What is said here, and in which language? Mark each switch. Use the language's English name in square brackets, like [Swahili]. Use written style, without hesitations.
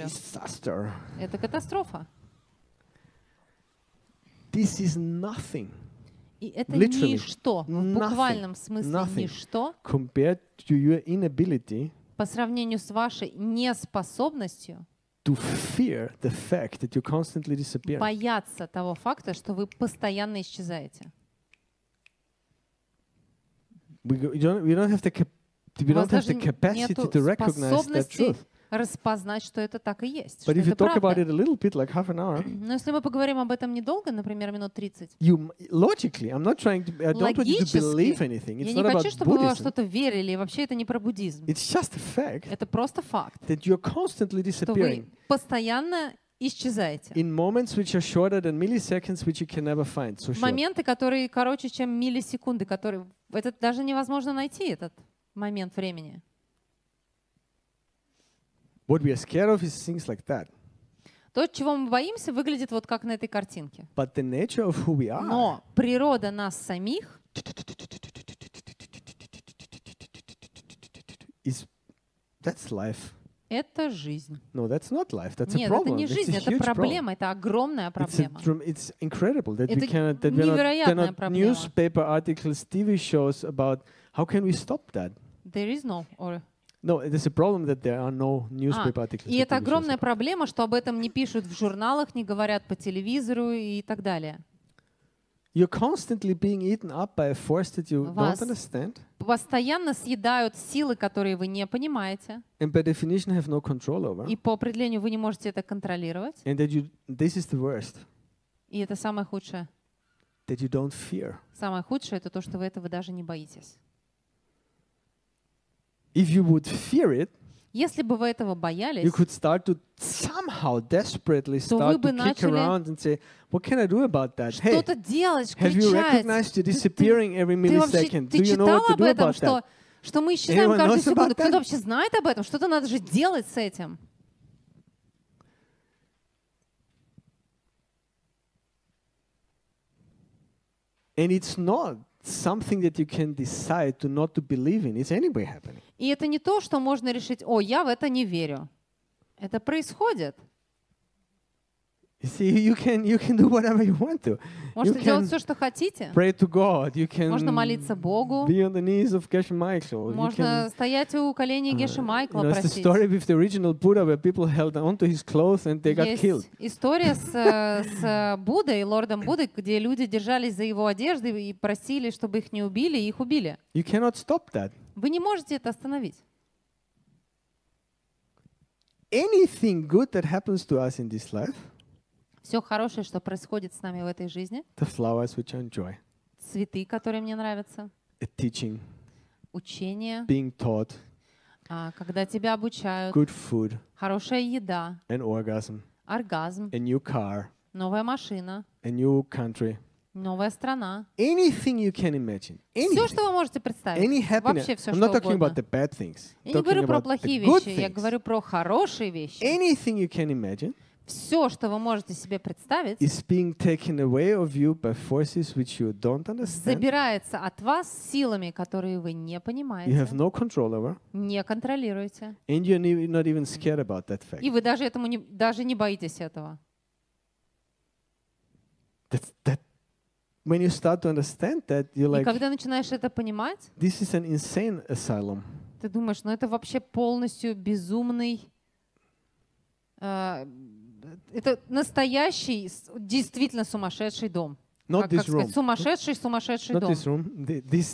[English] Disaster. [Russian] Это катастрофа. [English] This is nothing. [Russian] И это [English] literally. [Russian] Ничто. [English] Nothing. [Russian] В буквальном смысле [English] nothing. [Russian] Ничто. [English] Compared to your inability. [Russian] По сравнению с вашей неспособностью. [English] To fear the fact that you constantly disappear. [Russian] Бояться того факта, что вы постоянно исчезаете. [English] We don't have the capacity to recognize that truth. [Russian] Распознать, что это так и есть. [English] But if you talk about it a little bit, like half an hour. [Russian] Но если мы поговорим об этом недолго, например, минут 30. [English] You logically, I'm not trying to. I don't want you to believe anything. It's not about Buddhism. [Russian] Я не хочу, чтобы вы что-то верили. Вообще это не про буддизм. [English] It's just a fact. [Russian] Это просто факт. [English] That you're constantly disappearing. [Russian] Что вы постоянно исчезаете. [English] In moments which are shorter than milliseconds, which you can never find. So [Russian] моменты, которые короче, чем миллисекунды, которые это даже невозможно найти этот момент времени. [English] What we are scared of is things like that. [Russian] То, чего мы боимся, выглядит вот как на этой картинке. [English] But the nature of who we are. [Russian] Но природа нас самих. [English] Is that's life. [Russian] Это жизнь. [English] No, that's not life. That's [Russian] нет, [English] a problem. [Russian] Это не жизнь, [English] it's [Russian] это проблема. [English] Problem. [Russian] Это огромная проблема. [English] It's incredible that we cannot. [Russian] Это невероятная проблема. [English] Newspaper articles, TV shows about how can we stop that? There is no. Or... No, there's a problem that there are no newspaper articles. [Russian] И это огромная проблема, что об этом не пишут в журналах, не говорят по телевизору и так далее. [English] You're constantly being eaten up by a force that you don't understand. [Russian] Постоянно съедают силы, которые вы не понимаете. [English] And by definition have no control over. [Russian] И по определению вы не можете это контролировать. [English] And that you, this is the worst. [Russian] И это самое худшее. [English] That you don't fear. [Russian] Самое худшее это то, что вы этого даже не боитесь. [English] If you would fear it, [Russian] если бы вы этого боялись, [English] you could start to somehow desperately start to kick around and say, what can I do about that? [Russian] Hey, что-то делать, кричать. [English] Have you recognized you're disappearing every millisecond? Do you know what to do about that? [Russian] Что мы исчезаем каждую секунду. Кто вообще знает об этом? Что-то надо же делать с этим. [English] And it's not something that you can decide to not to believe in. It's anyway happening. [Russian] И это не то, что можно решить, о, я в это не верю. Это происходит. [English] You see, you can do whatever you want to. [Russian] Можете делать все, что хотите. [English] Pray to God. You can [Russian] можно молиться Богу. [English] Be on the knees of Geshe Michael. [Russian] Можно стоять у коленей Геши Майкла, [English] you know, [Russian] просить. [English] It's the story with the original Buddha, where people held onto his clothes and they got killed. [Russian] Есть история с Буддой, лордом Буддой, где люди держались за его одежды и просили, чтобы их не убили, и их убили. [English] You cannot stop that. [Russian] Вы не можете это остановить. [English] Anything good that happens to us in this life, [Russian] все хорошее, что происходит с нами в этой жизни, [English] the flowers which I enjoy, [Russian] цветы, которые мне нравятся, [English] a teaching, [Russian] учение, [English] being taught, [Russian] когда тебя обучают, [English] good food, [Russian] хорошая еда, [English] an orgasm, [Russian] оргазм, [English] a new car, [Russian] новая машина, [English] a new country, [Russian] новая страна. [English] Anything you can imagine. Anything. [Russian] Все, что вы можете представить. [English] Any happiness. [Russian] Вообще все, [English] I'm [Russian] что [English] not talking [Russian] угодно. [English] About the bad things. [Russian] Я не говорю про плохие вещи, я говорю про хорошие вещи. [English] Anything you can imagine. [Russian] Все, что вы можете себе представить, забирается от вас силами, которые вы не понимаете. [English] You have no control over, [Russian] не контролируете. [English] And you're not even scared about that fact. [Russian] И вы даже этому не, даже не боитесь этого. [English] When you start to understand that, you're like, [Russian] и когда начинаешь это понимать, [English] this is an insane asylum. [Russian] Ты думаешь, ну это вообще полностью безумный, это настоящий, действительно сумасшедший дом. [English] Not [Russian] как [English] this [Russian] сказать, [English] room. [Russian] Сумасшедший, сумасшедший [English] not [Russian] дом. [English] This room. This,